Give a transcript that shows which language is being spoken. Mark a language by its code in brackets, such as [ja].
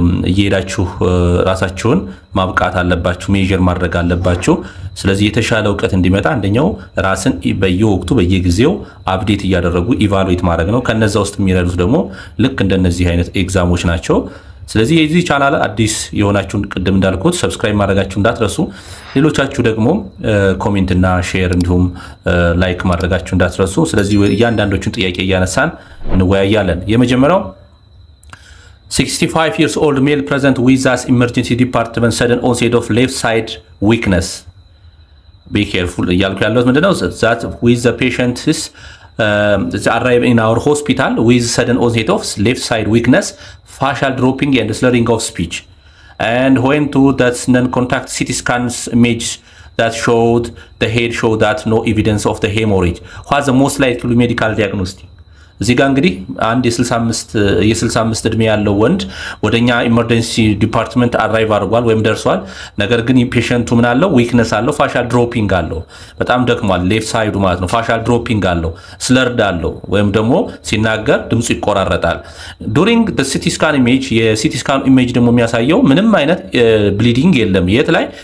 [am] እየሄዳችሁ ራሳችሁን ማብቃት አለባችሁ፣ ሜጀር ማድረግ አለባችሁ። ስለዚህ የተሻለ እውቀት እንዲመጣ አንደኛው ራስን በየወቅቱ በየጊዜው አፕዴት እያደረጉ ኢቫሉዌት ማድረግ ነው። ከነዛ ውስጥ የሚረዱት ደግሞ ልክ እንደነዚህ አይነት ኤግዛሞች ናቸው። ስለዚህ የዚህ ቻናል አዲስ የሆናችሁን ቅድም እንዳልኩት ሰብስክራይብ ማድረጋችሁ እንዳትረሱ፣ ሌሎቻችሁ ደግሞ ኮሜንት እና ሼር እንዲሁም ላይክ ማድረጋችሁ እንዳትረሱ። ስለዚህ እያንዳንዶቹን ጥያቄ እያነሳን እንወያያለን። የመጀመሪያው [en] 65 years old male present with us emergency department sudden onset of left side weakness. Be careful [am] እያልኩ ያለሁት ምንድነው [en] that with the patient's arrive in our hospital with sudden onset of left side weakness, facial dropping and slurring of speech. And went to that non-contact CT scans image that showed the head showed that no evidence of the hemorrhage. What's the most likely medical diagnosis? [am] እዚህ ጋር እንግዲህ አንድ የ65 እድሜ ያለው ወንድ ወደኛ ኢመርጀንሲ ዲፓርትመንት አራይቭ አድርጓል ወይም ደርሷል። ነገር ግን ፔሽንቱ ምን አለው? ዊክነስ አለው፣ ፋሻል ድሮፒንግ አለው፣ በጣም ደክሟል፣ ሌፍት ሳይዱ ማለት ነው። ፋሻል ድሮፒንግ አለው፣ ስለርድ አለው፣ ወይም ደግሞ ሲናገር ድምፁ ይቆራረጣል። ዱሪንግ ደ ሲቲ ስካን ኢሜጅ፣ የሲቲ ስካን ኢሜጅ ደግሞ የሚያሳየው ምንም አይነት ብሊዲንግ የለም። የት ላይ?